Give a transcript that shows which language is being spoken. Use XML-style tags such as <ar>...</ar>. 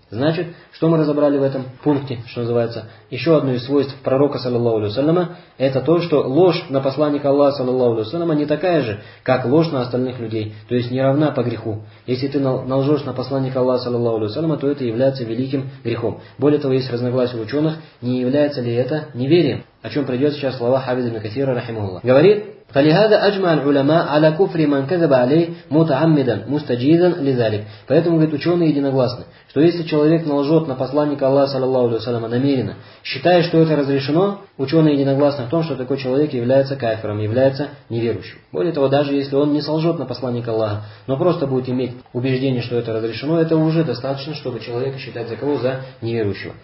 <ru>Значит, что мы разобрали в этом пункте, что называется, еще одно из свойств пророка, саллаллаху алейхи ва саллама, это то, что ложь на посланника Аллаха, саллаллаху алейхи ва саллама, не такая же, как ложь на остальных людей, то есть не равна по греху. Если ты налжешь на посланника Аллаха, саллаллаху алейхи ва саллама, то это является великим грехом. Более того, есть разногласие у ученых, не является ли это неверием, о чем придет сейчас слова Хафиза ибн Касира, рахимахуллах. Говорит...</ru> <ar>فلهذا أجمع العلماء على كفر من كذب عليه متعمدا مستجيدا لذلك.</ar> <ru>Поэтому, говорит, ученые единогласны, что если человек налжет на посланника Аллаха, саллаллаху алейхи ва саллям, намеренно, считая, что это разрешено, ученые единогласны в том, что такой человек является кафиром, является неверующим. Более того, даже если он не солжет на посланника Аллаха, но просто будет иметь убеждение, что это разрешено, это уже достаточно, чтобы человека считать за кого? За неверующего.</ru>